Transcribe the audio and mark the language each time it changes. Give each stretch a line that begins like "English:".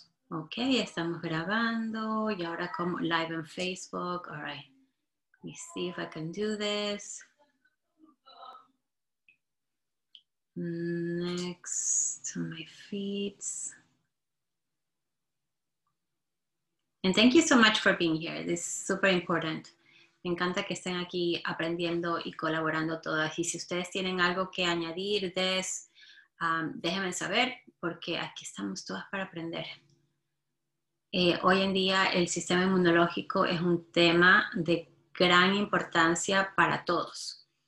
Spanish: Ok, estamos grabando y ahora como live en Facebook.
English: All right, let me see if I can do this. Next to my feet. And thank you so much for being here. This is super important.
Spanish: Me encanta que estén aquí aprendiendo y colaborando todas. Y si ustedes tienen algo que añadir, déjenme saber. Porque aquí estamos todas para aprender. Hoy en día el sistema inmunológico es un tema de gran importancia para todos.